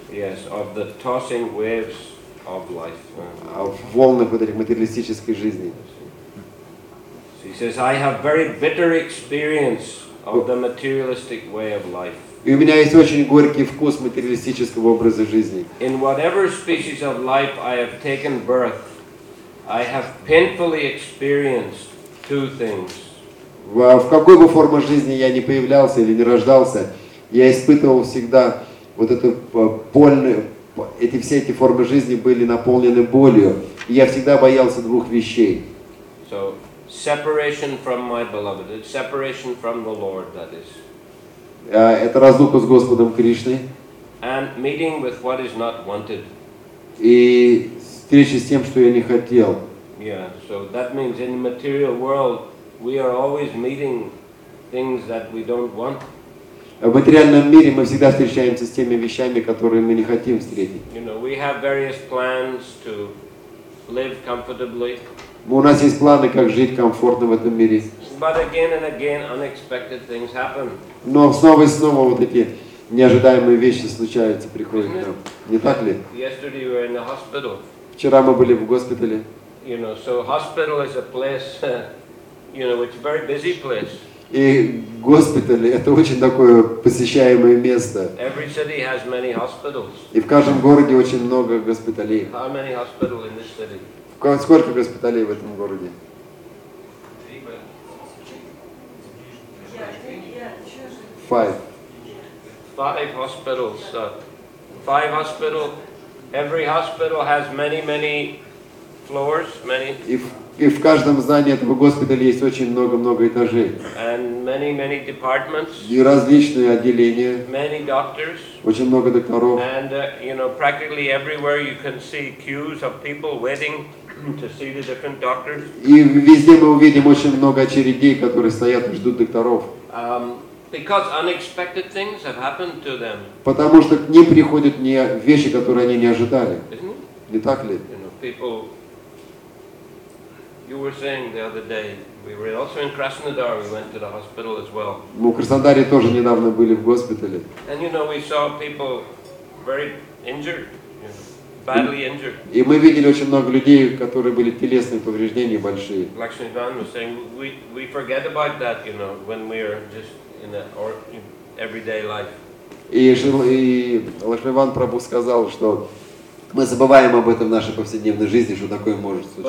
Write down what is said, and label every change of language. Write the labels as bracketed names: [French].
[English] Yes, of the tossing waves of life. [Russian] Волны вот этих материалистической жизни. [English] He says, I have very bitter experience of the materialistic way of life. [Russian] И у меня есть очень горький вкус материалистического образа жизни. [English] In whatever species of life I have taken birth, I have painfully experienced two things. [Russian] В какой бы форме жизни я ни появлялся или не рождался, я испытывал всегда вот эту больную, эти все эти формы жизни были наполнены болью. И я всегда боялся двух вещей. [English] So, separation from my beloved, separation from the Lord, that is. [Russian] Это разлука с Господом Кришной. [English] And meeting with what is not wanted. [Russian] И встреча с тем, что я не хотел. [English] Yeah, so that means in the material world we are always meeting things that we don't want. [Russian] В материальном мире мы всегда встречаемся с теми вещами, которые мы не хотим встретить. [English] You know, we have various plans to live comfortably. [Russian] У нас есть планы, как жить комфортно в этом мире. [English] But again and again, unexpected things happen. [Russian] Но снова и снова вот эти неожидаемые вещи случаются, приходят к нам. Не так ли? [English] Yesterday we were in the hospital. [Russian] Вчера мы были в госпитале. [English] You know, so hospital is a place, you know, it's a very busy place. [Russian] И госпитали – это очень такое посещаемое место. [English] Every city has many hospitals. [Russian] И в каждом городе очень много госпиталей. [English] How many hospitals in this city? [Russian] Сколько госпиталей в этом городе? [English] Five hospitals. Five hospital. Every hospital has many, many floors. Many. [Russian] И в каждом здании этого госпиталя есть очень много-много этажей. [English] And many departments. [Russian] И различные отделения. [English] Many doctors. [Russian] Очень много докторов. [English] And you know, practically everywhere you can see queues of people waiting to see the different doctors. [Russian] И везде мы увидим очень много очередей, которые стоят и ждут докторов. [English] Because unexpected things have happened to them. [Russian] Потому что к ним приходят не вещи, которые они не ожидали. Не так ли? [English] You know, people. You were saying the other day. We were also in Krasnodar. We went to the hospital as well. [Russian] Мы в Краснодаре тоже недавно были в госпитале. [English] And you know, we saw people very injured, you know, badly injured. [Russian] И мы видели очень много людей, которые были телесные повреждения большие. [English] Lakshmi Van was saying we forget about that, you know, when we are just in the everyday life. И Лакшми Ван Прабху сказал, что мы забываем об этом в нашей повседневной жизни, что такое может